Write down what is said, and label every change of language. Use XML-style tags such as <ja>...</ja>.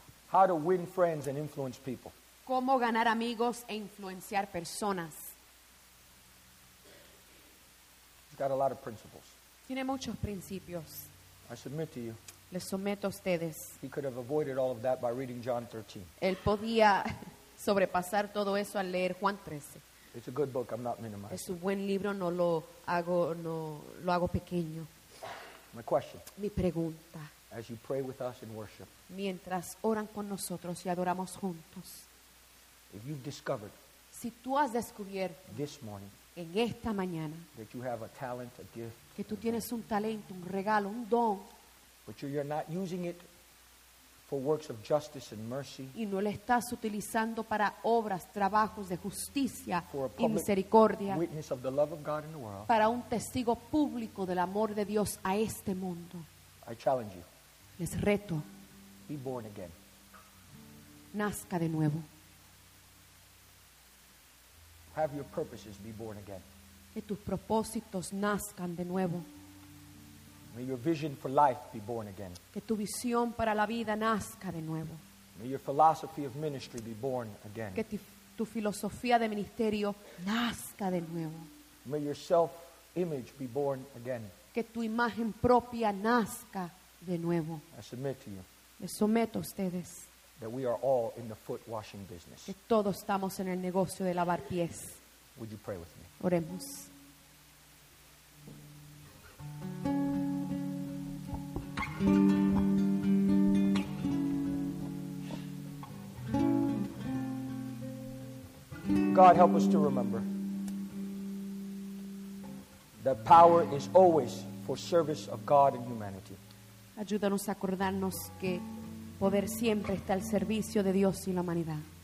<en>How to win friends and influence people.</en> <es>Cómo ganar amigos e influenciar personas.</es> <en>He's got a lot of principles.</en> <es>Tiene muchos principios.</es> <en>I submit to you.</en> <es>Les someto a ustedes.</es> <en>He could have avoided all of that by reading John 13.</en> <es>Él podía sobrepasar todo eso al leer Juan 13.</es> <en>It's a good book. I'm not minimizing.</en> <es>Es un buen libro. No lo hago, no lo hago pequeño.</es> <en>My question.</en> <es>Mi pregunta.</es> <en>As you pray with us in worship.</en> <es>Mientras oran con nosotros y adoramos juntos.</es> <en>If you've discovered.</en> <es>Si tú has descubierto.</es> <en>This morning.</en> <es>En esta mañana.</es> <en>That you have a talent, a gift.</en> <es>Que tú tienes un talento, un regalo, un don.</es> <en>But you're not using it for works of justice and mercy.</en> <es>Y no lo estás utilizando para obras, trabajos de justicia y misericordia.</es> <en>Witness of the love of God in the world.</en> <es>Para un testigo público del amor de Dios a este mundo.</es> <en>I challenge you.</en> <es>Les reto.</es> <en>Be born again.</en> <es>Nazca de nuevo.</es> <en>Have your purposes be born again.</en> <es>Que tus propósitos nazcan de nuevo.</es> <en>May your vision for life be born again.</en> <es>Que tu visión para la vida nazca de nuevo.</es> <en>May your philosophy of ministry be born again.</en> <es>Que tu filosofía de ministerio nazca de nuevo.</es> <en>May your self-image be born again.</en> <es>Que tu imagen propia nazca de nuevo.</es> <en>I submit to you.</en> <es>Me someto a ustedes.</es> <en>That we are all in the foot washing business.</en> <es>Que todos estamos en el negocio de lavar pies.</es> <en>Would you pray with me?</en> <es>Oremos.</es> <en>God, help us to remember that power is always for service of God and humanity.</en> <es>Ayúdanos a acordarnos que poder siempre está al servicio de Dios y la humanidad.</es>